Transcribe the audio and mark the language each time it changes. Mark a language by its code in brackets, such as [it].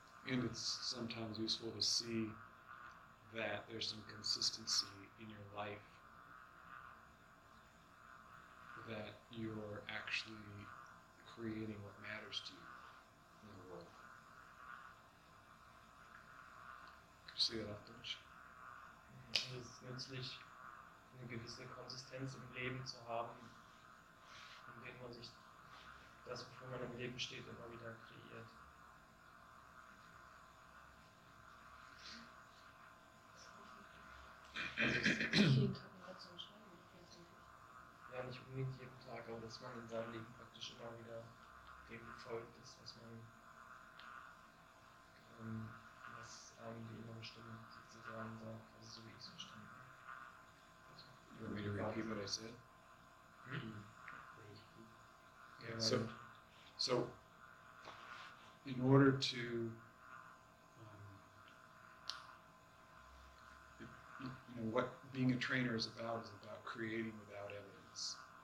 [en] And it's sometimes useful to see that there's some consistency in your life, that you're actually creating what matters to you. [de] Es ist nützlich, eine gewisse Konsistenz im Leben zu haben, indem man sich das, wofür man im Leben steht, immer wieder kreiert. Ja, nicht unbedingt jeden Tag, aber dass man in seinem Leben praktisch immer wieder dem gefolgt ist, was man die innere Stimme sozusagen sagt, also so wie ich es verstanden habe. [en] You want me to repeat what I said? Yeah, so, in order to you know, what being a trainer is about creating without evidence.